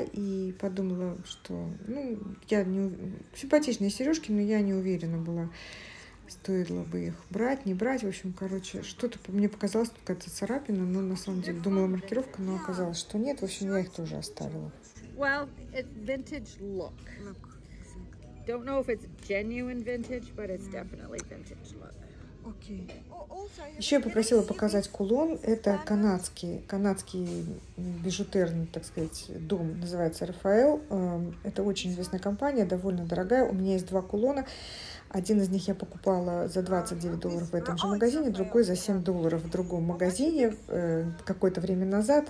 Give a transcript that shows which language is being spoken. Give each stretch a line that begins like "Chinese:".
Russian: И подумала, что ну, я не симпатичные сережки, но я не уверена была, стоило бы их брать, не брать. В общем, короче, что-то мне показалось, что какая-то царапина, но на самом деле думала маркировка, но оказалось, что нет. В общем, я их тоже оставила.
English: Well, it's vintage look. Don't know if it's genuine vintage, but it's definitely vintage look. Okay.
Russian: Еще я попросила показать кулон. Это канадский бижутерный, так сказать, дом. Называется Рафаэл. Это очень известная компания, довольно дорогая. У меня есть два кулона. Один из них я покупала за $29 в этом же магазине, другой за $7 в другом магазине какое-то время назад.